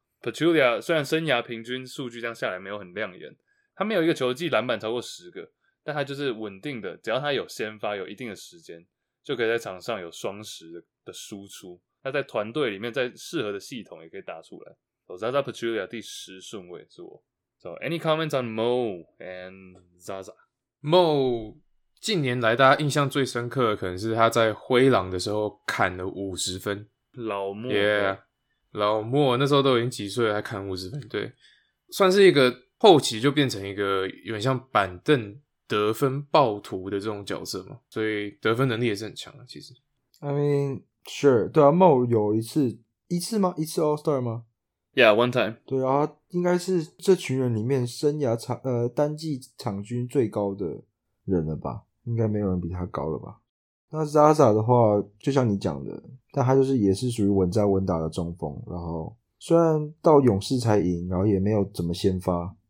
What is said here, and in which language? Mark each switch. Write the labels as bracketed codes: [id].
[zh] Pachulia 虽然生涯平均数据这样下来没有很亮眼，他没有一个球季篮板超过10个，但他就是稳定的，只要他有先发有一定的时间，就可以在场上有双十的输出。那在团队里面，在适合的系统也可以打出来。So, Zaza Pachulia 第十顺位是我。 [en] So, any comments on Mo and Zaza? [zh] Mo 近年来大家印象最深刻的可能是他在灰狼的时候砍了50分。老莫。 Yeah， 老莫那时候都已经几岁了还砍50分，对。算是一个后期就变成一个有点像板凳得分暴徒的这种角色嘛，所以得分能力也是很强的。其实， [en] I mean sure， [zh] 对啊 ，Mo 有一次吗？一次 All Star 吗 [en] ？Yeah， one time。 [zh] 对啊，应该是这群人里面生涯单季场均最高的人了吧？应该没有人比他高了吧？那 Zaza 的话，就像你讲的，但他就是也是属于稳扎稳打的中锋。然后虽然到勇士才赢，然后也没有怎么先发。